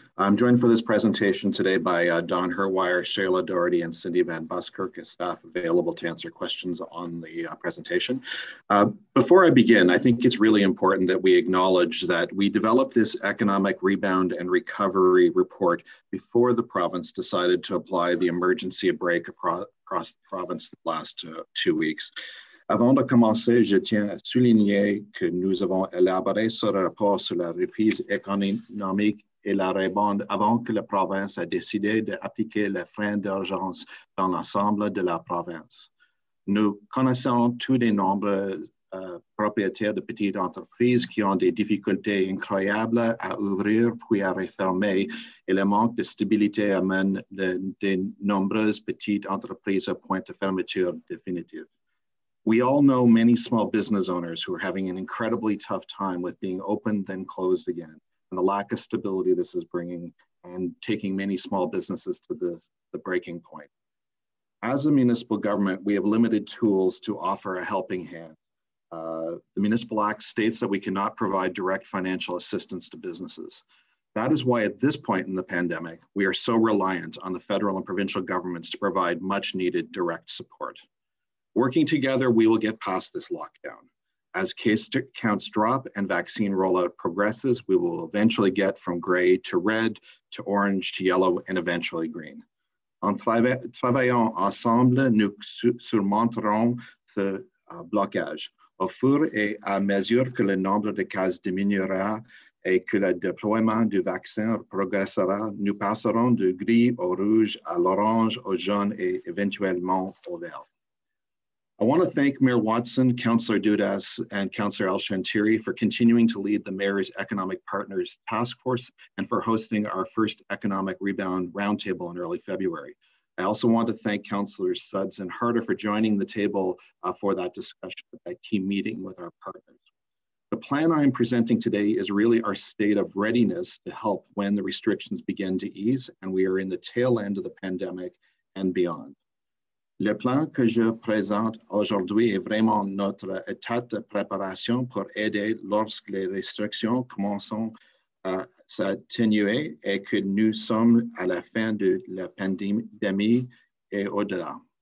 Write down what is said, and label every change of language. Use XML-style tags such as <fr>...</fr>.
<en>I'm joined for this presentation today by Don Herwire, Shayla Doherty, and Cindy Van Buskirk, as staff available to answer questions on the presentation. Before I begin, I think it's really important that we acknowledge that we developed this economic rebound and recovery report before the province decided to apply the emergency break across the province the last 2 weeks.</en> <fr>Avant de commencer, je tiens à souligner que nous avons élaboré ce rapport sur la reprise économique et la rebond avant que la province ait décidé d'appliquer les freins d'urgence dans l'ensemble de la province. Nous connaissons tous les nombreux propriétaires de petites entreprises qui ont des difficultés incroyables à ouvrir puis à refermer, et le manque de stabilité amène de nombreuses petites entreprises au point de fermeture définitive.</fr> <en>We all know many small business owners who are having an incredibly tough time with being opened then closed again, and the lack of stability this is bringing and taking many small businesses to the breaking point. As a municipal government, we have limited tools to offer a helping hand. The Municipal Act states that we cannot provide direct financial assistance to businesses. That is why at this point in the pandemic, we are so reliant on the federal and provincial governments to provide much needed direct support. Working together, we will get past this lockdown. As case counts drop and vaccine rollout progresses, we will eventually get from gray to red, to orange, to yellow, and eventually green.</en> <fr>En travaillant ensemble, nous surmonterons ce blocage. Au fur et à mesure que le nombre de cas diminuera et que le déploiement du vaccin progressera, nous passerons du gris au rouge, à l'orange, au jaune, et éventuellement au vert.</fr> <en>I want to thank Mayor Watson, Councillor Dudas, and Councillor Alshantiri for continuing to lead the Mayor's Economic Partners Task Force and for hosting our first Economic Rebound Roundtable in early February. I also want to thank Councillors Suds and Harder for joining the table for that discussion, that key meeting with our partners. The plan I am presenting today is really our state of readiness to help when the restrictions begin to ease and we are in the tail end of the pandemic and beyond.</en> <fr>Le plan que je présente aujourd'hui est vraiment notre état de préparation pour aider lorsque les restrictions commencent à s'atténuer et que nous sommes à la fin de la pandémie et au-delà.</fr>